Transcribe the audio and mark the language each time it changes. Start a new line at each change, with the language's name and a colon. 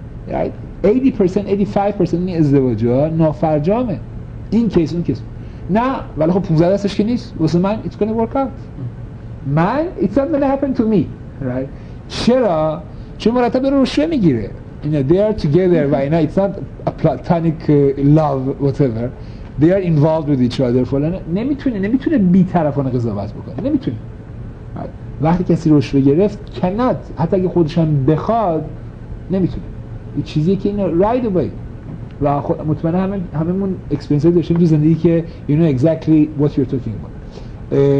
Persian: Right? 80% 85% این ازدواج ها نافرجامه. این کیس اون کیس. نه ولی خب 15 دستش که نیست. واسه من
English: it's gonna work out.
Persian: من
English: it's not gonna happen to me.
Persian: Right? چرا؟ چون مرتب داره رشوه میگیره.
English: You know, they are together
Persian: و اینا
English: it's not a platonic love whatever. They are involved with each other.
Persian: فلان نمیتونه بی طرفانه قضاوت بکنه. نمیتونه. Right? وقتی کسی رشوه گرفت cannot. حتی اگه خودش هم بخواد نمیتونه. چیزی که اینا
English: right away
Persian: و خود مطمئنه هممون اکسپرینسی داشتیم تو زندگی که
English: you know exactly what you're talking about.